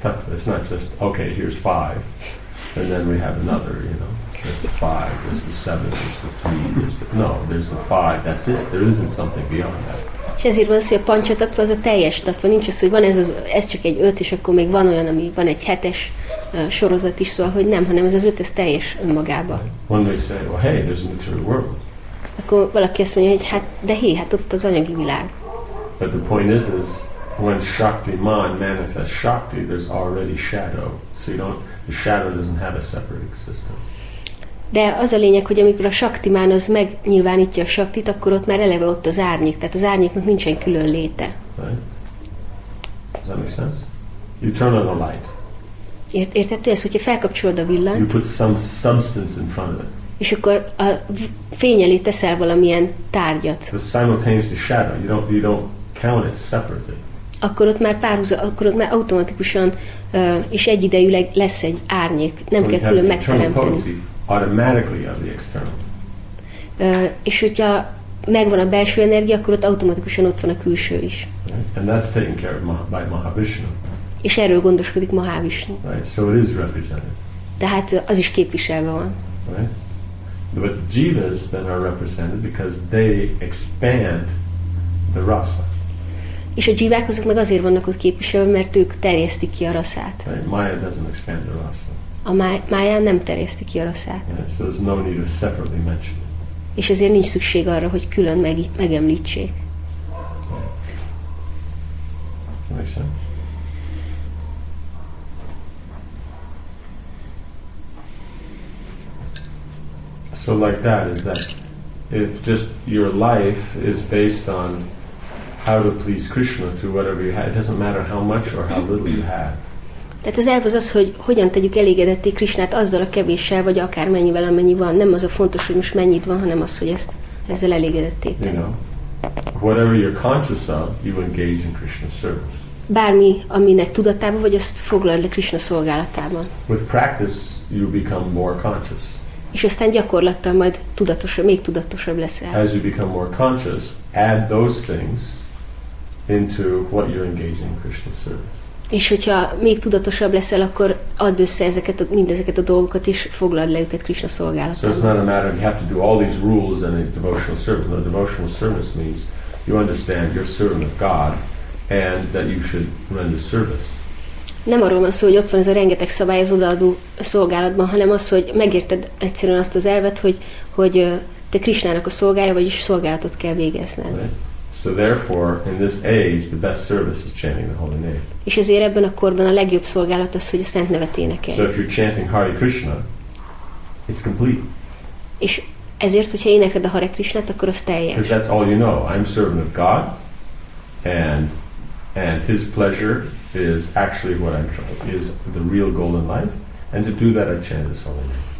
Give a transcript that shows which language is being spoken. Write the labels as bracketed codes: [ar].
[en] It's not just, okay, here's five, and then we have another, you know. There's the five, there's the seven, there's the three, there's the... No, there's the five, that's it. There isn't something beyond that. [hu] És ezért van az, hogy a panchatattva az a teljes tattva. Nincs az, hogy van ez csak egy öt, és akkor még van olyan, ami van egy hetes sorozat is, szóval, hogy nem, hanem ez az öt, ez teljes önmagában. [en] Right. One may say, well, hey, there's a material world. [hu] Akkor valaki azt mondja, hogy hát, de hé, hát ott az anyagi világ. [en] But the point is, when Shakti Man manifests Shakti, there's already shadow. So you don't, the shadow doesn't have a separate existence. [hu] De az a lényeg, hogy amikor a Shakti Man az megnyilvánítja a Shaktit, akkor ott már eleve ott az árnyék, tehát az árnyéknak nincsen külön léte. [en] Right. Does that make sense? You turn on a light. [hu] Értettő ez, hogyha felkapcsolod a villanyt. [en] You put some substance in front of it. [hu] És akkor a fény elé teszel valamilyen tárgyat. [en] The simultaneous shadow. You don't count it separately. [hu] Akkor ott már automatikusan és egyidejűleg lesz egy árnyék, nem [en] so [hu] kell külön megteremteni. [en] Automatically of the external. [hu] És hogyha megvan a belső energia, akkor ott automatikusan ott van a külső is. [en] Right. And that's taken care of by Mahavishnu. [hu] És erről gondoskodik Mahavishnu. [en] Right. So it is represented. [hu] Tehát az is képviselve van. [en] Right. But the jivas then are represented because they expand the rasa. [hu] És a dzsívák azok meg azért vannak ott képviselve, mert ők terjesztik ki a raszát. [en] Right. Maya doesn't expand the rasa. [hu] A máján nem terjesztik ki a raszát. [en] Right. So there's no need to separately mention it. [hu] És ezért nincs szükség arra, hogy külön megemlítsék. [en] Right. Make sense? So like that is that if just your life is based on how to please Krishna through whatever you have. It doesn't matter how much or how little you have. [hu] Tehát az elv az, hogy hogyan tegyük elégedetté Krishnát azzal a kevéssel, vagy akármennyivel, amennyi van. Nem az a fontos, hogy most mennyit van, hanem az, hogy ezzel elégedetté tegyük. [en] You know, whatever you're conscious of, you engage in Krishna's service. [hu] Bármi, aminek tudatában vagy, azt foglalod le Krishna szolgálatában. [en] With practice, you become more conscious. [hu] És aztán gyakorlattal majd tudatosabb, még tudatosabb leszel. [en] As you become more conscious, add those things into what you're engaging in Krishna's service. [hu] És hogyha még tudatosabb leszel, akkor add össze mindezeket a dolgokat, és foglald le őket Krishna szolgálatába. [en] So it's not a matter of you have to do all these rules and a devotional service. No, devotional service means you understand you're servant of God and that you should render service. [hu] nem arról van szó, hogy ott van ez a rengeteg szabály az odaadó szolgálatban, hanem az, hogy megérted egyszerűen azt az elvet, hogy te Krisnának a szolgája, vagyis szolgálatot kell végezned. [en] So therefore, in this age, the best service is chanting the holy name. [hu] És ezért ebben a korban a legjobb szolgálat az, hogy a szent nevet énekelj. [en] So if you're chanting Hare Krishna, it's complete. [hu] És ezért, hogyha énekled a Hare Krishnát, akkor az teljes. [en] Because that's all you know. I'm servant of God, and His pleasure is actually what I'm trying, is the real goal in life, and to do that, I chant His holy name.